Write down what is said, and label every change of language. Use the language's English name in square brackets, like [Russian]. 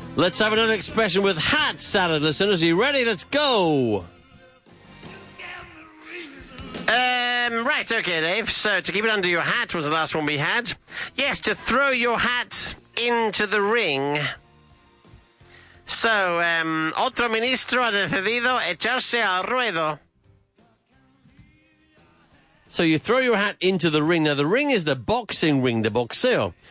[English] Let's have another expression with hat, salad listeners. Are you ready? Let's go. Right, okay, Dave. So to keep it under your hat was the last one we had. Yes, to throw your hat into the ring. [Spanish] So, otro ministro ha decidido echarse al ruedo. [English] So you throw your hat into the ring. Now, the ring is the boxing ring, the boxeo.